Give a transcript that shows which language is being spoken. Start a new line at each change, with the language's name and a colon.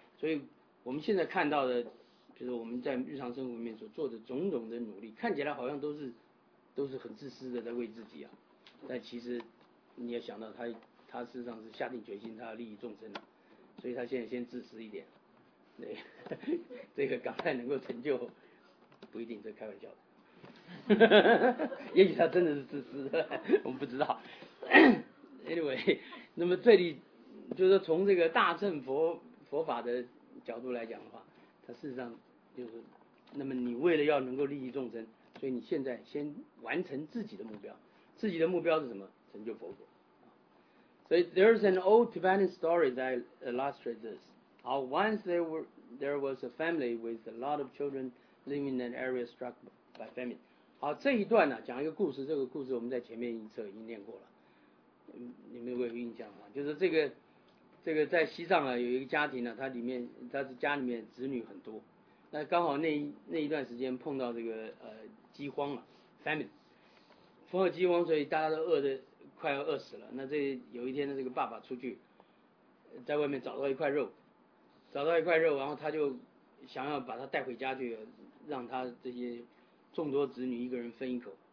Chinese: 所以我们现在看到的。就是我们在日常生活里面所做的种种的努力，看起来好像都是很自私的在为自己啊，但其实你要想到他事实上是下定决心，他要利益众生的，所以他现在先自私一点，对，这个赶快能够成就，不一定，这开玩笑的，也许他真的是自私的，我们不知道。 Anyway， 那么这里就是从这个大乘佛法的角度来讲的话。他事实上就是，那么你为了要能够利益众生，所以你现在先完成自己的目标。自己的目标是什么？成就佛果。
English: So there's an old Tibetan story that illustrates this. How once there was a family with a lot of children living in an area struck by famine.
Chinese: 好，这一段呢、啊，讲一个故事。这个故事我们在前面一册已经念过了，你们会有印象吗？就是这个。这个在西藏啊，有一个家庭呢、啊，他是家里面子女很多，那刚好那一段时间碰到这个饥荒了、啊、，famine， 碰到饥荒，所以大家都饿得快要饿死了。那这有一天的这个爸爸出去，在外面找到一块肉，然后他就想要把它带回家去，让他这些众多子女一个人分一口。